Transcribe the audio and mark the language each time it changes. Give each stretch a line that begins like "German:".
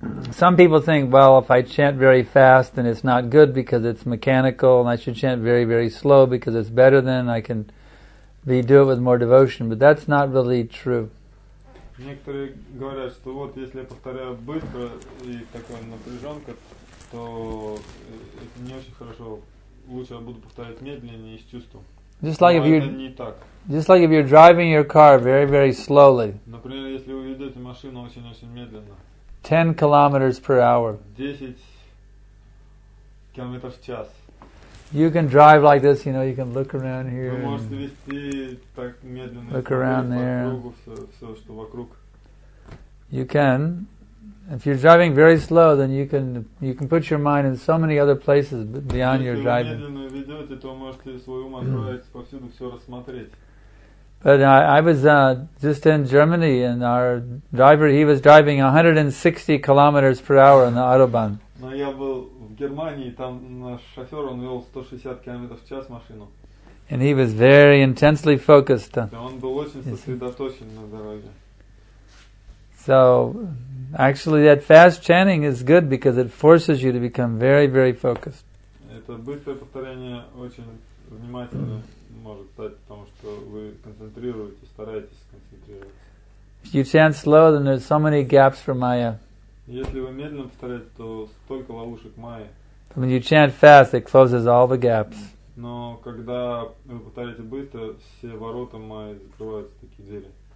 English: Some people think, well, if I chant very fast, then it's not good because it's mechanical, and I should chant very, very slow because it's better, then I can do it with more devotion. But that's not really true.
Russian: Некоторые говорят, что вот если я повторяю быстро и такая напряженка, то это не очень хорошо. Лучше я буду повторять медленнее и с чувством.
English: Just like if you're driving your car very, very slowly.
Russian: Например, если вы ведете машину очень-очень медленно.
English: 10 kilometers per hour.
Russian: 10 километров в час.
English: You can drive like this, you can look around here.
Russian: Вы можете вести так медленно.
English: Look around there.
Russian: Все, что вокруг.
English: You can. If you're driving very slow, then you can put your mind in so many other places beyond your driving.
Russian: Если вы медленно ведете, то можете свой ум отправить повсюду, все рассмотреть.
English: But I was just in Germany, and our driver, he was driving 160 kilometers per hour on the Autobahn.
Russian: Но я был в Германии, там наш шофер, он вел 160 километров в час машину.
English: And he was very intensely focused.
Russian: Он был очень сосредоточен на дороге.
English: So, actually, that fast chanting is good because it forces you to become very, very focused.
Russian: Это быстрое повторение очень внимательно. Может стать, потому что вы концентрируетесь, стараетесь концентрироваться.
English: You chant slow, then there's so many gaps for Maya.
Russian: Если вы медленно повторяете, то столько ловушек Майя.
English: But when you chant fast, it closes all the gaps.
Russian: Но когда вы повторяете быстро, все ворота Майи закрываются, такие двери.